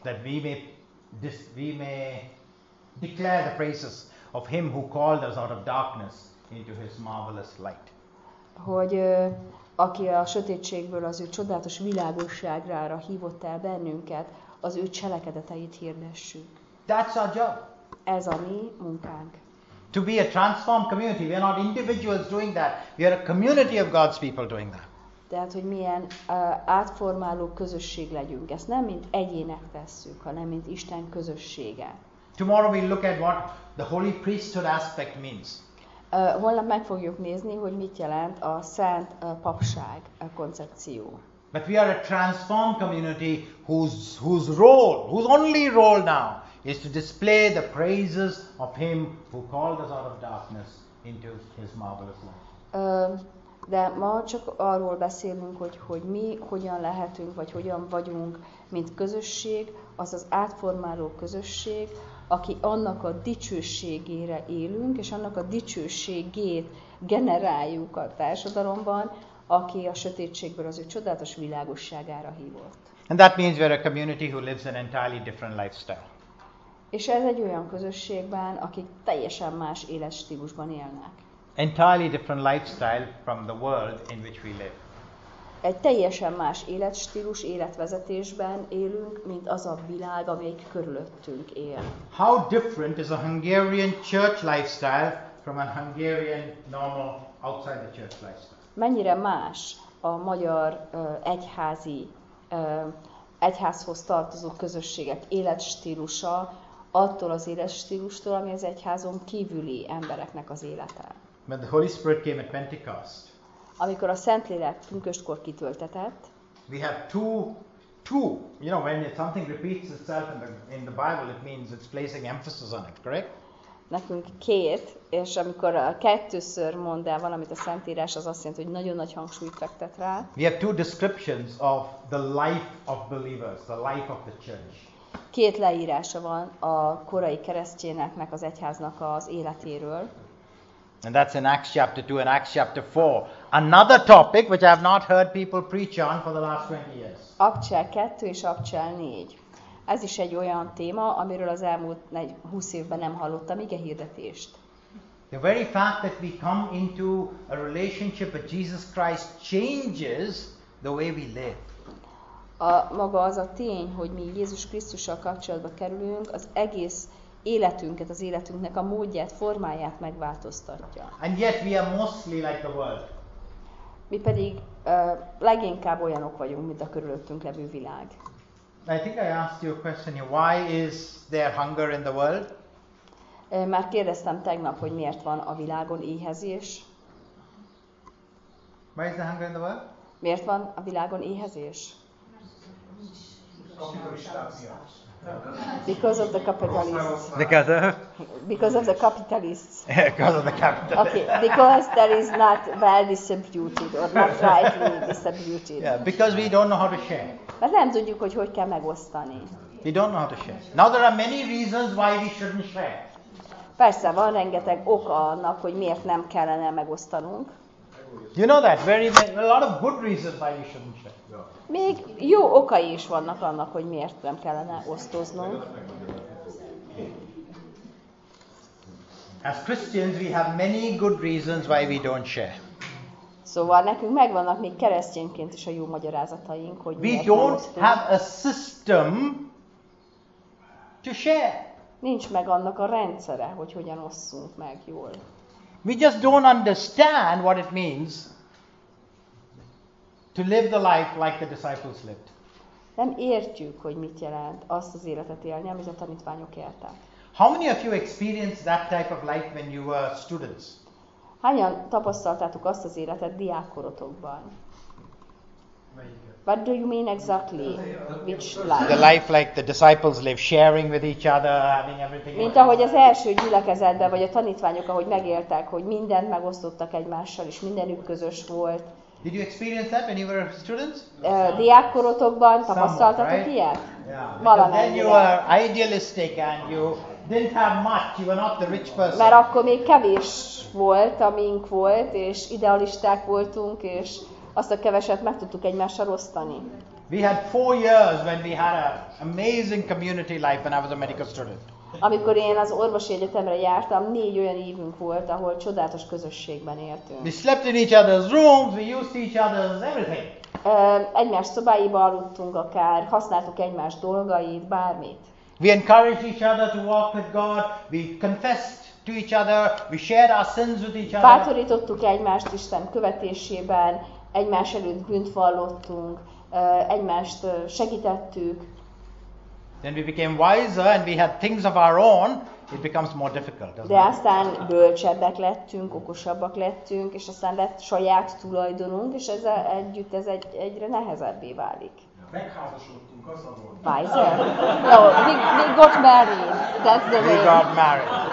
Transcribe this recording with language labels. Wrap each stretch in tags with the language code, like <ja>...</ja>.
<en>That we may declare the praises of him who called us out of darkness into his marvelous light.</en> <hu>Hogy aki a sötétségből az ő csodálatos világosságára hívott el bennünket, az ő cselekedeteit hirdessük.</hu> <en>That's our job.</en> <hu>Ez a mi munkánk.</hu> <en>To be a transformed community, we are not individuals doing that. We are a community of God's people doing that.</en> <hu>Tehát, hogy milyen átformáló közösség legyünk. Ezt nem mint egyének tesszük, hanem mint Isten közössége.</hu> <en>Tomorrow we look at what the holy priesthood aspect means.</en> <hu>Holnap meg fogjuk nézni, hogy mit jelent a szent papság koncepció.</hu> <en>But we are a transformed community whose role, whose only role now is to display the praises of him who called us out of darkness into his marvelous light.</en> <hu>De ma csak arról beszélünk, hogy mi hogyan lehetünk, vagy hogyan vagyunk, mint közösség, az az átformáló közösség, aki annak a dicsőségére élünk, és annak a dicsőségét generáljuk a társadalomban, aki a sötétségből az ő csodálatos világosságára hívott.</hu> <en>And that means we're a community who lives an entirely different lifestyle.</en> <hu>És ez egy olyan közösségben, akik teljesen más életstílusban élnek.</hu> <en>Entirely different lifestyle from the world in which we live.</en> <hu>Egy teljesen más életstílus, életvezetésben élünk, mint az a világ, amelyik körülöttünk él.</hu> <en>How different is a Hungarian church lifestyle from a Hungarian normal outside the church lifestyle?</en> <hu>Mennyire más a magyar egyházi egyházhoz tartozó közösségek életstílusa attól az életstílustól, ami az egyházon kívüli embereknek az élete.</hu> <en>When the Holy Spirit came at Pentecost.</en> <hu>Amikor a Szentlélek pünköstkor kitöltetett.</hu> <en>We have two. You know, when something repeats itself in the Bible, it means it's placing emphasis on it, correct?</en> <hu>Nekünk két, és amikor a kettőször mond el valamit a Szentírás, az azt jelenti, hogy nagyon nagy hangsúlyt fektet rá.</hu> <en>We have two descriptions of the life of believers, the life of the church.</en> <hu>Két leírása van a korai keresztényeknek, az egyháznak az életéről.</hu> <en>And that's in Acts chapter 2 and Acts chapter 4. Another topic which I have not heard people preach on for the last 20 years.</en> <hu>Apcsel 2 és Apcsel 4. Ez is egy olyan téma, amiről az elmúlt 20 évben nem hallottam ige hirdetést.</hu> <en>The very fact that we come into a relationship with Jesus Christ changes the way we live.</en> <hu>A maga az a tény, hogy mi Jézus Krisztussal kapcsolatba kerülünk, az egész életünket, az életünknek a módját, formáját megváltoztatja.</hu> <en>And yet we are mostly like the world.</en> <hu>Mi pedig leginkább olyanok vagyunk, mint a körülöttünk levő világ.</hu> <en>I think I asked you a question here. Why is there hunger in the world?</en> <hu>Már kérdeztem tegnap, hogy miért van a világon éhezés.</hu> <en>Why is there hunger in the world?</en> <hu>Miért van a világon éhezés?</hu> <en>Because of the capitalists. Because of the capitalists. Because of the capitalists. Okay, because there is not well distributed or not rightly distributed. Yeah, because we don't know how to share.</en> <hu>Mert nem tudjuk, hogy kell megosztani.</hu> <en>We don't know how to share. Now there are many reasons why we shouldn't share.</en> <hu>Persze, van rengeteg oka annak, hogy miért nem kellene megosztanunk.</hu> <en>You know that very a lot of good reasons why we shouldn't share.</en> <hu>Még jó okai is vannak annak, hogy miért nem kellene osztoznunk.</hu> <en>As Christians, we have many good reasons why we don't share.</en> <hu>Szóval nekünk megvannak még keresztényként is a jó magyarázataink, hogy miért nem osztunk.</hu> <en>We don't have a system to share.</en> <hu>Nincs meg annak a rendszere, hogy hogyan osszunk meg jól.</hu> <en>We just don't understand what it means to live the life like the disciples lived.</en> <hu>Nem értjük, hogy mit jelent azt az életet élni, amit a tanítványok éltek.</hu> <en>How many of you experienced that type of life when you were students?</en> <hu>Hányan tapasztaltátok azt az életet diákkorotokban?</hu> <en>What do you mean exactly? Which life? The life like the disciples live, sharing with each other, having everything.</en> <hu>Mint ahogy az első gyülekezetben, vagy a tanítványok, ahogy megértek, hogy mindent megosztottak egymással, és mindenük közös volt.</hu> <en>Did you experience that when you were students?</en> <hu>Diákkorotokban tapasztaltatok</hu> <en>right?</en> <hu>Ilyet? Yeah. Valamennyire.</hu> <en>Then you were idealistic and you didn't have much. You were not the rich person.</en> <hu>Mert akkor még kevés volt, amink volt, és idealisták voltunk, és azt a keveset meg tudtuk egymással osztani.</hu> <en>We had 4 years when we had an amazing community life when I was a medical student.</en> <hu>Amikor én az orvosi egyetemre jártam, 4 olyan évünk volt, ahol csodálatos közösségben éltünk.</hu> <en>We slept in each other's rooms, we used each other's everything.</en> <hu>Egymás szobáiba aludtunk akár, használtuk egymás dolgait, bármit.</hu> <en>We encouraged each other to walk with God, we confessed to each other, we shared our sins with each other.</en> <hu>Bátorítottuk egymást Isten követésében, egymás előtt bűnt vallottunk, egymást segítettük.</hu> <en>Then we became wiser and we had things of our own it becomes more difficult, doesn't it?</en> <hu>De aztán bölcsebbek lettünk, okosabbak lettünk, és aztán lett saját tulajdonunk, és ezzel együtt ez egyre nehezebbé válik. Megházasodtunk, az a volt.</hu> <en>Pfizer? No, we got married. That's the we name. Got married.</en>